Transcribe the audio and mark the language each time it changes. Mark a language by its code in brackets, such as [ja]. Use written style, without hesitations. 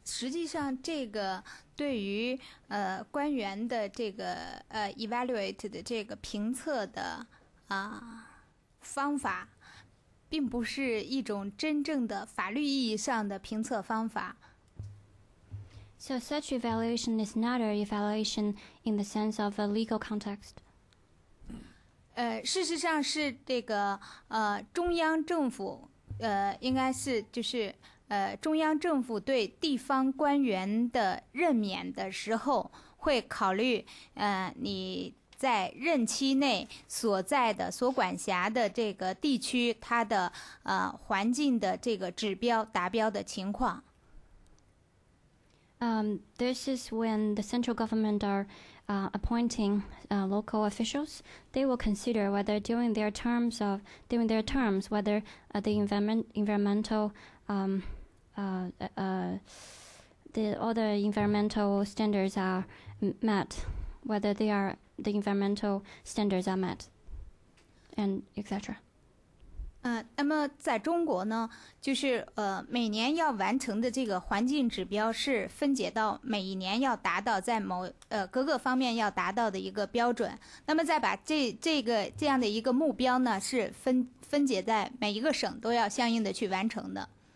[zh] 实际上这个对于官员的这个evaluate 的这个评测的方法并不是一种真正的法律意义上的评测方法。 [en] So such evaluation is not an evaluation in the sense of a legal context. [zh] 事实上是这个中央政府应该是就是中央政府对地方官员的任免的时候会考虑你在任期内所在的所管辖的这个地区它的环境的这个指标达标的情况。 [en] This is when the central government are appointing local officials. They will consider whether during their terms of during their terms whether the environmental the other environmental standards are met, whether they are the environmental standards are met, and etc. [zh] 那么在中国呢，就是每年要完成的这个环境指标是分解到每一年要达到在某各个方面要达到的一个标准。那么再把这个这样的一个目标呢，是分解在每一个省都要相应的去完成的。